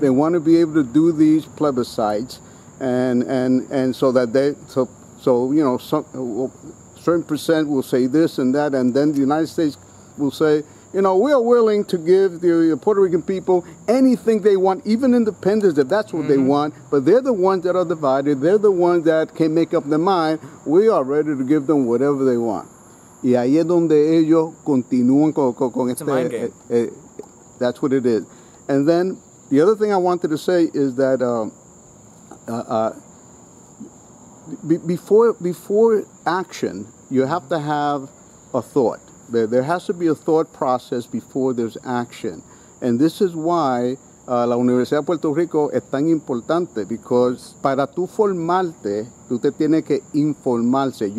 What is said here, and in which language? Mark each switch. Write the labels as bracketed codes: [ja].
[en] They want to be able to do these plebiscites, and so that they, so you know, certain percent will say this and that, and then the United States will say, you know, we are willing to give the Puerto Rican people anything they want, even independence, if that's what mm-hmm. they want. But they're the ones that are divided. They're the ones that can't make up their mind. We are ready to give them whatever they want. [es] Y ahí es donde ellos continúan con este. [en] That's what it is. And then the other thing I wanted to say is that before action, you have to have a thought. There has to be a thought process before there's action. And this is why [es] la Universidad de Puerto Rico es tan importante, [en] because [es] para tú formarte, tú te tienes que informarse.